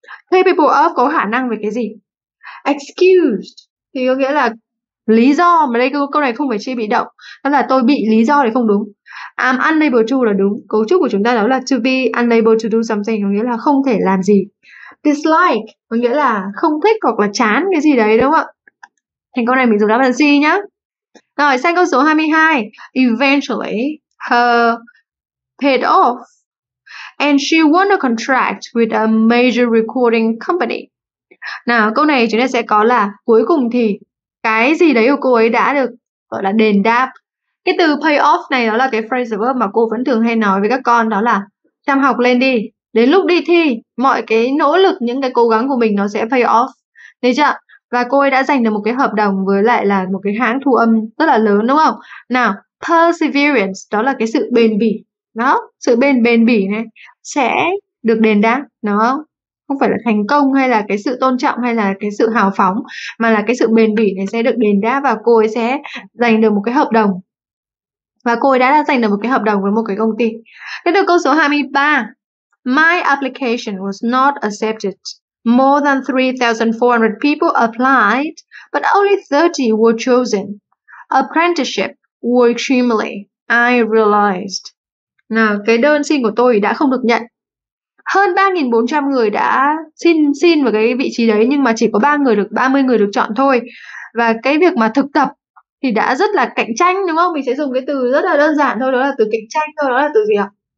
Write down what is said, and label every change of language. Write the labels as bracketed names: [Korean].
[Vietnamese] Capable of có khả năng về cái gì? Excused thì có nghĩa là lý do, mà đây câu này không phải chia bị động, đó là tôi bị lý do thì không đúng. [English] I'm unable to [Vietnamese] là đúng. Cấu trúc của chúng ta đó là [English] to be unable to do something, [Vietnamese] có nghĩa là không thể làm gì. Dislike có nghĩa là không thích hoặc là chán cái gì đấy đúng không ạ? Thành câu này mình dùng đáp án C nhá. Rồi sang câu số 22. [English] Eventually her paid off and she won a contract with a major recording company. [Vietnamese] Nào câu này chúng ta sẽ có là cuối cùng thì cái gì đấy của cô ấy đã được gọi là đền đáp. Cái từ pay off này đó là cái phrasal verb mà cô vẫn thường hay nói với các con, đó là chăm học lên đi, đến lúc đi thi mọi cái nỗ lực, những cái cố gắng của mình nó sẽ pay off, thấy chưa? Và cô ấy đã giành được một cái hợp đồng với lại là một cái hãng thu âm rất là lớn đúng không nào. Perseverance đó là cái sự bền bỉ đó, sự bền bỉ này sẽ được đền đáp đúng không? Không phải là thành công hay là cái sự tôn trọng hay là cái sự hào phóng, mà là cái sự bền bỉ này sẽ được đền đáp, và cô ấy sẽ giành được một cái hợp đồng. Và cô ấy đã giành được một cái hợp đồng với một cái công ty. Tiếp theo câu số 23. [English] My application was not accepted. More than 3,400 people applied, but only 30 were chosen. Apprenticeship were extremely, I realized. [Vietnamese] Nào, cái đơn xin của tôi đã không được nhận. Hơn 3.400 người đã xin vào cái vị trí đấy, nhưng mà chỉ có 30 người được chọn thôi. Và cái việc mà thực tập thì đã rất là cạnh tranh đúng không? Mình sẽ dùng cái từ rất là đơn giản thôi, đó là từ cạnh tranh thôi, đó là từ gì ạ?